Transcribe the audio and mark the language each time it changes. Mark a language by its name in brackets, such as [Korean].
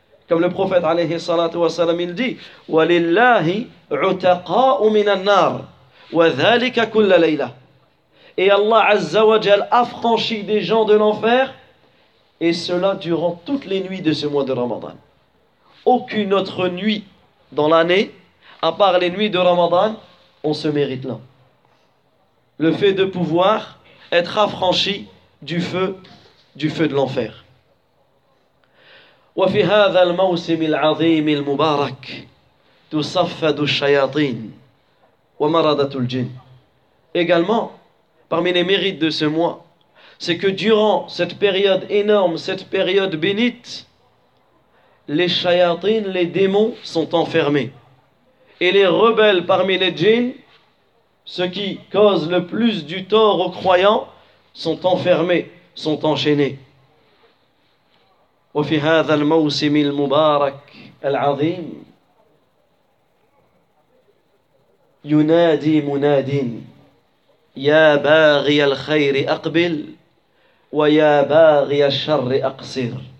[French] Comme le prophète, alayhi salatu wa salam, il dit, « [Arabic] Wa lillahi utaqa'u minan nar, wa dhalika kulla layla. [French] » Et Allah Azza wa Jal affranchit des gens de l'enfer, et cela durant toutes les nuits de ce mois de Ramadan. Aucune autre nuit dans l'année, à part les nuits de Ramadan, on se mérite là. Le fait de pouvoir être affranchi du feu de l'enfer. [Arabic] وفي هذا الموسم العظيم المبارك تصفد الشياطين ومرضة الجن. [French] Également, parmi les mérites de ce mois, c'est que durant cette période énorme, cette période bénite, les shayatin, les démons, sont enfermés. Et les rebelles parmi les djinns, ceux qui causent le plus du tort aux croyants, sont enfermés, sont enchaînés. [Arabic] وفي هذا الموسم المبارك العظيم ينادي منادين يا باغي الخير أقبل ويا باغي الشر أقصر.